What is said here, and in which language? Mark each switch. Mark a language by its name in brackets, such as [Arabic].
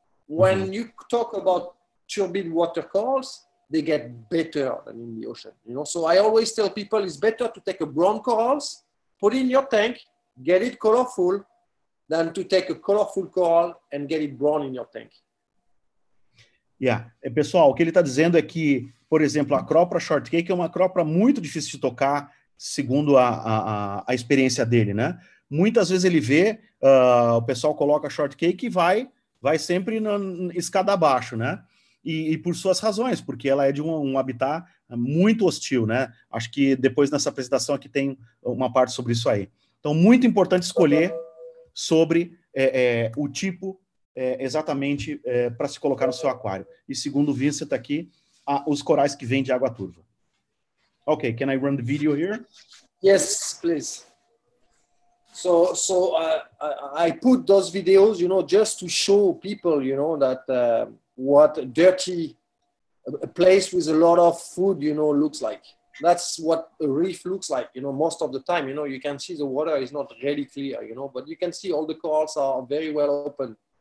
[English] When you talk about turbid water corals, they get better than in the ocean, you know. So I always tell people it's better to take a brown corals, put it in your tank, get it colorful, than to take a colorful coral and get it brown in your tank. Yeah. [Portuguese] Pessoal, o que ele está dizendo é que, por exemplo, a acrópora shortcake é uma acrópora muito difícil de tocar, segundo a experiência dele, né? Muitas vezes ele vê, o pessoal coloca shortcake e vai sempre na escada abaixo, né? E por suas razões, porque ela é de um habitat muito hostil, né? Acho que depois nessa apresentação aqui tem uma parte sobre isso aí. Então, muito importante escolher sobre o tipo exatamente para se colocar no seu aquário. E segundo o Vincent aqui, os corais que vêm de água turva. [English] Ok, can I run the video here? Yes, please. So I put those videos, you know, just to show people, you know, that what a dirty place with a lot of food, you know, looks like. That's what a reef looks like, you know, most of the time, you know, you can see the water is not really clear, you know, but you can see all the corals are very well open.